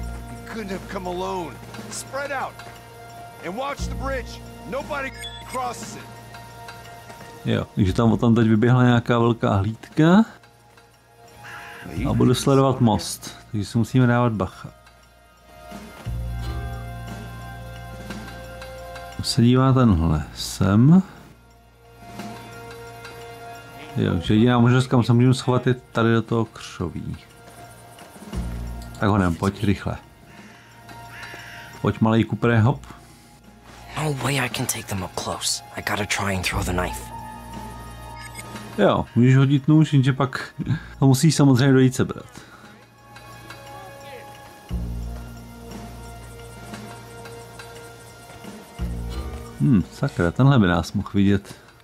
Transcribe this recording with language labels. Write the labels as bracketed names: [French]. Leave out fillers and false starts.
[English] You couldn't have come alone. Spread out and watch the bridge. Nobody crosses it. [Czech] Jo, takže tam potom teď vyběhla nějaká velká hlídka a budu sledovat most, takže si musíme dávat bacha. Se dívá tenhle sem. Jo, že jediná možnost, kam se můžu schovat, je tady do toho křoví. Tak ho nem, pojď rychle. Pojď malej Cooper, hop. [English] No way I can take them up close. I gotta try and throw the knife. [Czech] Jo, můžeš hodit nůž, jenže pak to musíš samozřejmě dojít sebrat. Sakra, tenhle by nás mohl vidět.